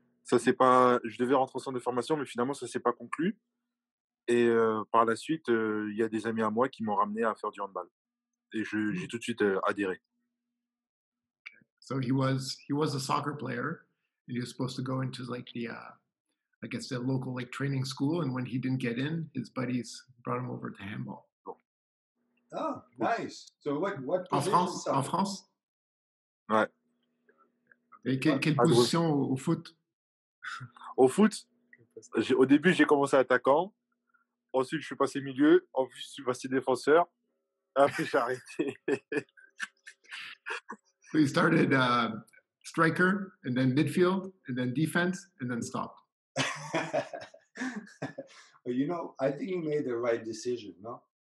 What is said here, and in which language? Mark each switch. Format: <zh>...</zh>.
<fr>Je devais rentrer en centre de formation, mais finalement, ça ne s'est pas conclu. Et par la suite, il y a des amis à moi qui m'ont ramené à faire du handball. Et j'ai tout de suite adhéré.</fr> <en>Okay. So he was a soccer player, and he was supposed to go into like the, I guess the local like training school. And when he didn't get in, his buddies brought him over to handball. Oh, nice. So what</en> <fr>position? En France. Ouais. Et quelle position au foot? Au foot, au début j'ai commencé attaquant, ensuite je suis passé milieu, ensuite je suis passé défenseur, après j'ai arrêté.</fr> <en>So you started striker, and then midfield, and then defense, and then stop. Well, you know, I think you made the right decision, no?</en>